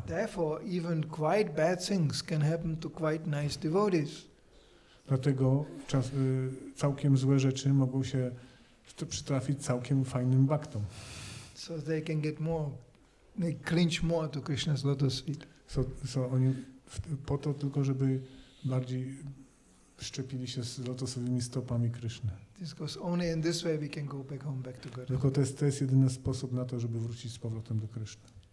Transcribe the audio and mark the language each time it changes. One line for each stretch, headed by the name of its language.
English: Therefore, even quite bad things can happen to quite nice devotees.
Polish: Dlatego całkiem złe rzeczy mogą się przytrafić całkiem fajnym baktom.
English: So they can get more they clinch more to Krishna's lotus feet.
Polish: So oni po to tylko, żeby bardziej szczepili się z lotosowymi stopami Krishna.
English: This goes only in this way we can go back home back to God.
Polish: Tylko to jest jedyny sposób na to, żeby wrócić z powrotem do Krishna.